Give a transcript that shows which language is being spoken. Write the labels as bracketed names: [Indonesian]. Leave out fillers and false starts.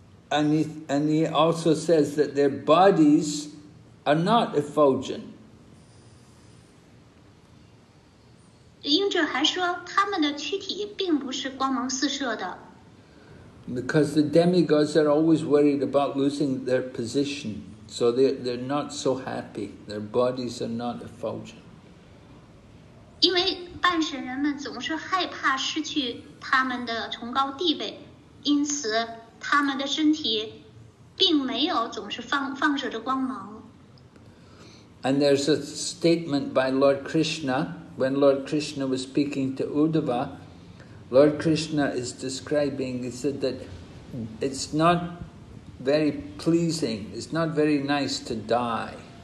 [English] And he also says that their bodies are not effulgent. [Chinese] 应者还说他们的躯体并不是光芒四射的。 [English] Because the demigods are always worried about losing their position, so they're not so happy, their bodies are not effulgent. [Chinese] 因为半神人们总是害怕失去他们的崇高地位，因此他们的身体并没有总是放射着光芒。 [English] And there's a statement by Lord Krishna. When Lord Krishna was speaking to Uddhava, Lord Krishna is describing, he said that it's not very pleasing, it's not very nice to die.